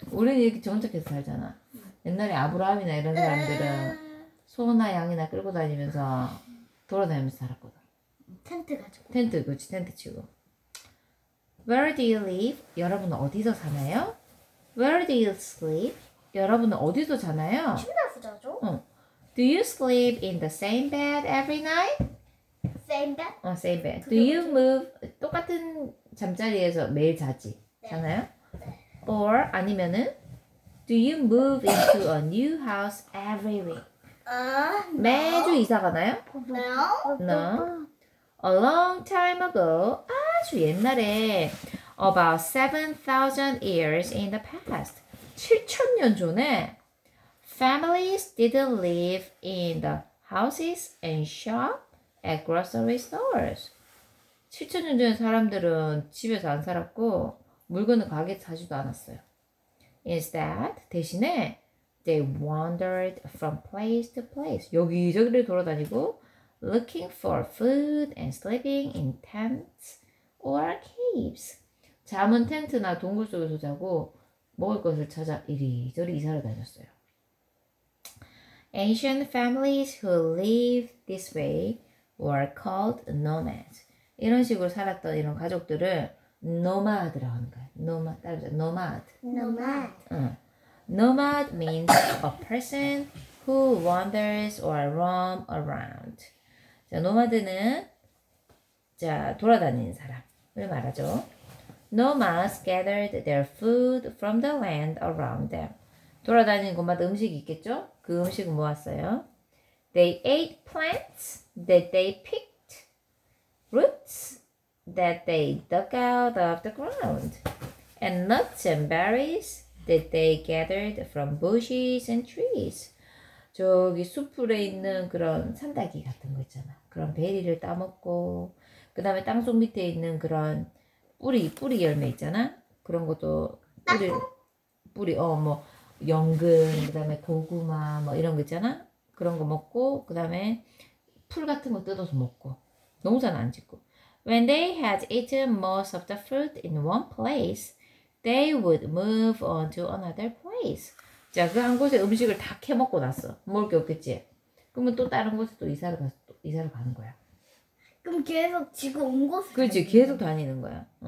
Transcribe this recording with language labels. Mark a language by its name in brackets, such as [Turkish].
[Korean] 우리는 이렇게 정착해서 살잖아. 옛날에 아브라함이나 이런 사람들은 소나 양이나 끌고 다니면서 돌아다니면서 살았거든. 텐트 가지고. 텐트, 그렇지, 텐트 치고. [English] Where do you live? [Korean] 여러분은 어디서 사나요? [English] Where do you sleep? [Korean] 여러분은 어디서 자나요? 침대에서 자죠. [English] Do you sleep in the same bed every night? Same bed? Same bed. Do you move? [Korean] 똑같은 잠자리에서 매일 자지. 네. 자나요? 네. Or, 아니면은? [English] Do you move into a new house every week? No. [Korean] 매주 이사 가나요? [English] No. A long time ago, [Korean] 아주 옛날에, [English] about 7,000 years in the past, [Korean] 7,000년 전에, [English] families didn't live in the houses and shop at grocery stores. [Korean] 7,000년 전에 사람들은 집에서 안 살았고, 물건을 가게에서 사지도 않았어요. [English] Instead, [Korean] 대신에, [English] they wandered from place to place, [Korean] 여기저기를 돌아다니고, [English] looking for food and sleeping in tents or caves. [Korean] 잠은 텐트나 동굴 속에서 자고 먹을 것을 찾아 이리저리 이사를 다녔어요. [English] Ancient families who lived this way were called nomads. [Korean] 이런 식으로 살았던 이런 가족들을 노마드라고 하는 거예요. 노마드. 따라하자. 노마드. 노마드. 응. [English] Nomad means a person who wanders or roam around. [Korean] 자, 노마드는 자 돌아다니는 사람을 말하죠. [English] Nomads gathered their food from the land around them. [Korean] 돌아다니는 곳마다 음식이 있겠죠? 그 음식은 모았어요. [English] They ate plants that they picked, roots that they dug out of the ground, and nuts and berries that they gathered from bushes and trees. [Korean] 저기 숲에 있는 그런 산다기 같은 거 있잖아. 그런 베리를 따먹고 그 다음에 땅속 밑에 있는 그런 뿌리 열매 있잖아. 그런 것도 뿌리 뭐 연근 그 다음에 고구마 뭐 이런 거 있잖아. 그런 거 먹고 그 다음에 풀 같은 거 뜯어서 먹고 농사는 안 짓고. [English] When they had eaten most of the fruit in one place, they would move on to another place. [Korean] 자, 그 한 곳에 음식을 다 캐먹고 났어. 먹을 게 없겠지. 그러면 또 다른 곳에 또 이사를 갔어. 이사를 가는 거야. 그럼 계속 지금 온 곳을 그렇지 다니는 계속 다니는 거야.